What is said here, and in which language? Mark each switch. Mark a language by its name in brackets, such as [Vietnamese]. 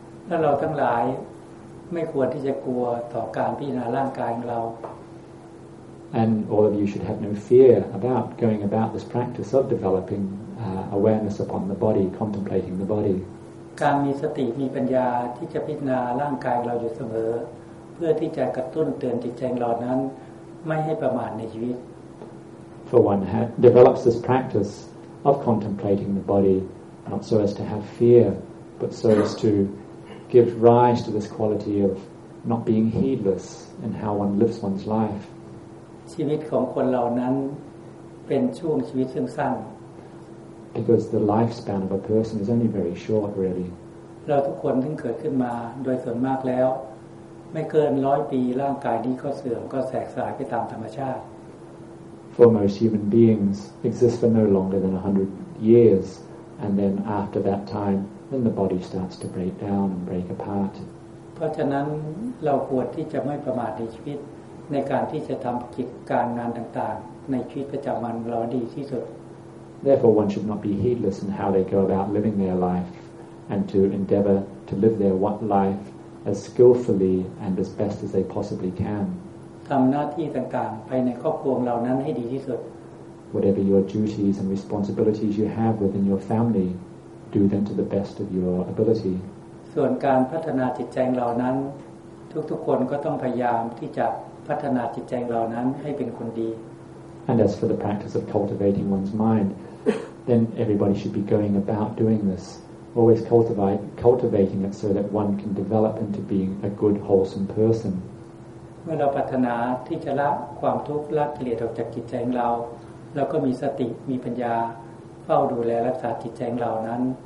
[Thai] ถ้าเราทั้งหลายไม่ควรที่จะกลัวต่อการพิจารณาร่างกายของเรา [English] And all of you should have no fear about going about this practice of developing awareness upon the body, contemplating the body. [Thai] การมีสติมีปัญญาที่จะพิจารณาร่างกายเราอยู่เสมอเพื่อที่จะกระตุ้นเตือนจิตใจเรานั้นไม่ให้ประมาทในชีวิต [English] For one develops this practice of contemplating the body, not so as to have fear, but so as to give rise to this quality of not being heedless in how one lives one's life. [Thai] ชีวิตของคนเรานั้นเป็นช่วงชีวิตสั้น [English] ๆ Because the lifespan of a person is only very short, really. [Thai] เราทุกคนที่เกิดขึ้นมาโดยส่วนมากแล้วไม่เกิน100ปีร่างกายนี้ก็เสื่อมก็แตกสลายไปตามธรรมชาติ [English] For most human beings exist for no longer than 100 years, and then after that time, then the body starts to break down and break apart. [Thai] เพราะฉะนั้นเราควรที่จะไม่ประมาทในชีวิตในการที่จะทำกิจการงานต่างๆในชีวิตประจำวันเราดีที่สุด [English] Therefore, one should not be heedless in how they go about living their life, and to endeavor to live their life as skillfully and as best as they possibly can. [Thai] ทำหน้าที่ต่างๆไปในครอบครัวเรานั้นให้ดีที่สุด [English] Whatever your duties and responsibilities you have within your family, do them to the best of your ability. [Thai] ส่วนการพัฒนาจิตใจเรานั้นทุกๆคนก็ต้องพยายามที่จะพัฒนาจิตใจเรานั้นให้เป็นคนดี [English] And as for the practice of cultivating one's mind, then everybody should be going about doing this, always cultivating it so that one can develop into being a good, wholesome person. [Thai] เมื่อเราปรารถนาที่จะละความทุกข์ละกิเลสออกจากจิตใจของเราเราก็มีสติมีปัญญาเฝ้าดูแลรักษาจิตใจของเรานั้น